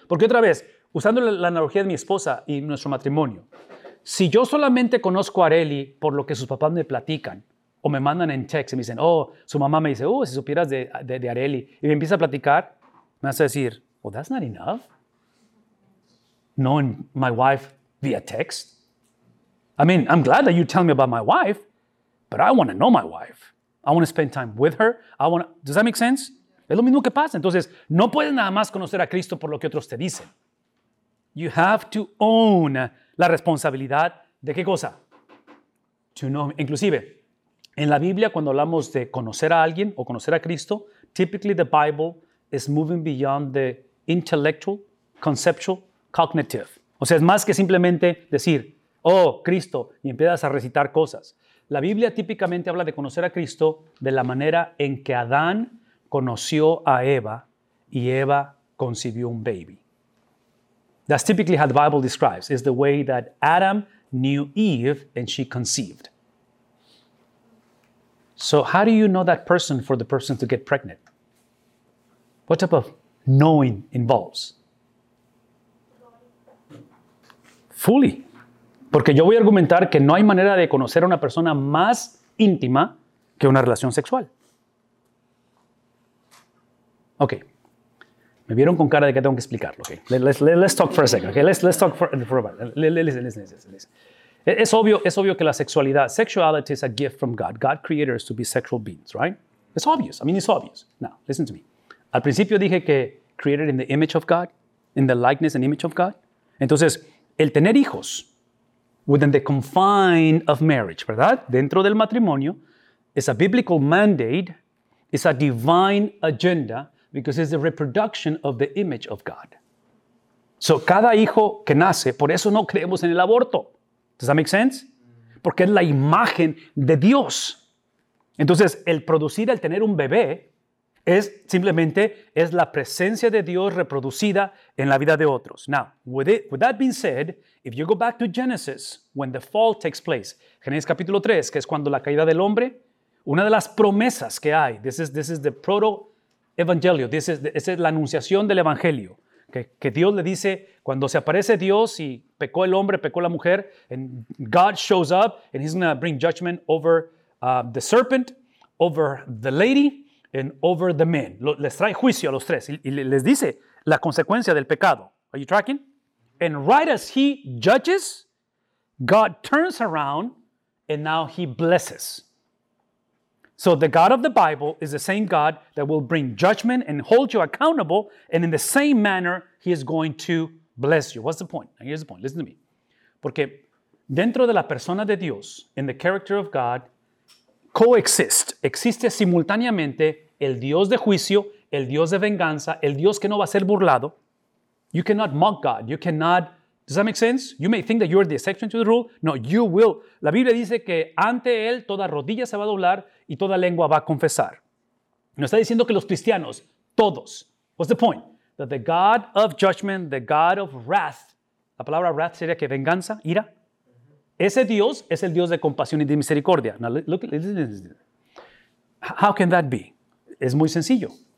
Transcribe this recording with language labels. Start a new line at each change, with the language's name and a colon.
Spanish: Porque otra vez, usando la analogía de mi esposa y nuestro matrimonio, si yo solamente conozco a Areli por lo que sus papás me platican, o me mandan en text y me dicen, oh, su mamá me dice, oh, si supieras de Areli, y me empieza a platicar, me hace decir, oh,
English: that's not enough. Knowing my wife via text. I mean, I'm glad that you tell me about my wife, but I want to know my wife. I want to spend time with her. Does that make sense?
Spanish: Es lo mismo que pasa. Entonces, no puedes nada más conocer a Cristo por lo que otros te dicen.
English: You have to own
Spanish: la responsabilidad de qué cosa?
English: To know.
Spanish: Inclusive, en la Biblia, cuando hablamos de conocer a alguien o conocer a Cristo,
English: typically the Bible is moving beyond the intellectual, conceptual, cognitive.
Spanish: O sea, es más que simplemente decir, oh, Cristo, y empiezas a recitar cosas. La Biblia típicamente habla de conocer a Cristo de la manera en que Adán conoció a Eva y Eva concibió un baby.
English: That's typically how the Bible describes, is the way that Adam knew Eve and she conceived. So how do you know that person for the person to get pregnant? What type of knowing involves? Fully.
Spanish: Porque yo voy a argumentar que no hay manera de conocer a una persona más íntima que una relación sexual. Ok. Me vieron con cara de que tengo que explicarlo.
English: Okay. Let's talk for a second. Okay. Let's talk for a while. Listen.
Spanish: Es obvio que la sexualidad,
English: sexuality is a gift from God. God created us to be sexual beings, right? It's obvious. I mean, it's obvious. Now, listen to me.
Spanish: Al principio dije que
English: created in the image of God, in the likeness and image of God.
Spanish: Entonces, el tener hijos
English: within the confine of marriage,
Spanish: ¿verdad? Dentro del matrimonio,
English: is a biblical mandate, is a divine agenda, because it's the reproduction of the image of God.
Spanish: So, cada hijo que nace, por eso no creemos en el aborto.
English: Does that make sense?
Spanish: Porque es la imagen de Dios. Entonces, el producir, el tener un bebé, Es simplemente es la presencia de Dios reproducida en la vida de otros.
English: Now, with that being said, if you go back to Genesis, when the fall takes place,
Spanish: Génesis capítulo 3, que es cuando la caída del hombre, una de las promesas que hay,
English: this is the proto-evangelio, this is
Spanish: la anunciación del evangelio, que Dios le dice, cuando se aparece Dios y pecó el hombre, pecó la mujer,
English: and God shows up, and he's going to bring judgment over the serpent, over the lady, and over the men.
Spanish: Les trae juicio a los tres y les dice la consecuencia del pecado.
English: Are you tracking? And right as he judges, God turns around and now he blesses. So the God of the Bible is the same God that will bring judgment and hold you accountable, and in the same manner he is going to bless you. What's the point? Now here's the point. Listen to me.
Spanish: Porque dentro de la persona de Dios,
English: in the character of God,
Spanish: existe simultáneamente el Dios de juicio, el Dios de venganza, el Dios que no va a ser burlado.
English: You cannot mock God. You cannot. Does that make sense? You may think that you are the exception to the rule. No, you will.
Spanish: La Biblia dice que ante él toda rodilla se va a doblar y toda lengua va a confesar. No está diciendo que los cristianos, todos.
English: What's the point? That the God of judgment, the God of wrath,
Spanish: la palabra wrath sería que venganza, ira. Ese Dios es el Dios de compasión y de misericordia.
English: Now, look, how can that be?
Spanish: Es muy sencillo.